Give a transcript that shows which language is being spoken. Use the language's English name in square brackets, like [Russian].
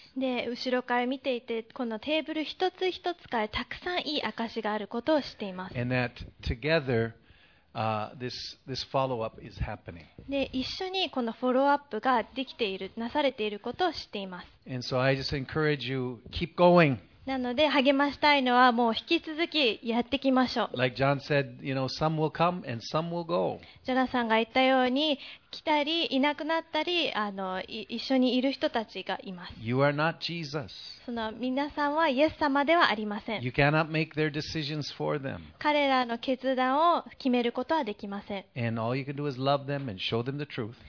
[Japanese] 後ろから見ていて、このテーブル一つ一つからたくさんいい証があることを知っています。 [English] And that together, this follow-up is happening. [Japanese] 一緒にこのフォローアップができている、なされていることを知っています。 [English] And so I just encourage you, keep going. [Japanese] なので励ましたいのはもう引き続きやっていきましょう。 [English] Like John said, you know, some will come and some will go. [Japanese] ジョナさんが言ったように来たりいなくなったり一緒にいる人たちがいます。 [English] You are not Jesus. [Japanese] その皆さんはイエス様ではありません。 [English] You cannot make their decisions for them. [Japanese] 彼らの決断を決めることはできません。 [English] And all you can do is love them and show them the truth.